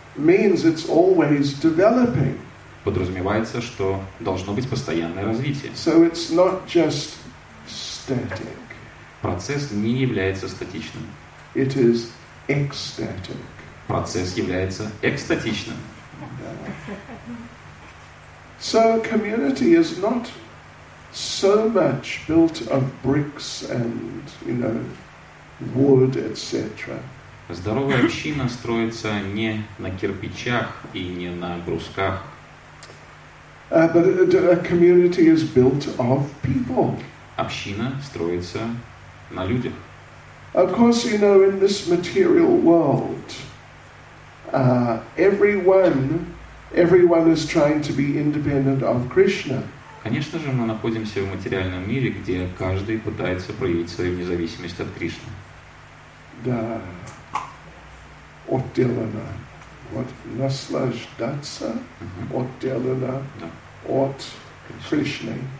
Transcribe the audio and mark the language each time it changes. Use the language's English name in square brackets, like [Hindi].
[English] Means it's always developing. [Russian] Подразумевается, что должно быть постоянное развитие. [English] So it's not just static. [Russian] Процесс не является статичным. [English] It is ecstatic. [Russian] Процесс является экстатичным. [English] So a community is not so much built of bricks and, you know, wood, etc. [Russian] Здоровая община строится не на кирпичах и не на брусках. [English] But a community is built of people. [Russian] Община строится на людях. [English] Of course, you know, in this material world, everyone is trying to be independent of Krishna. [Russian] Конечно же, мы находимся в материальном мире, где каждый пытается проявить свою независимость от Кришны. Да, отделано. Вот наслаждаться отделано от Кришны.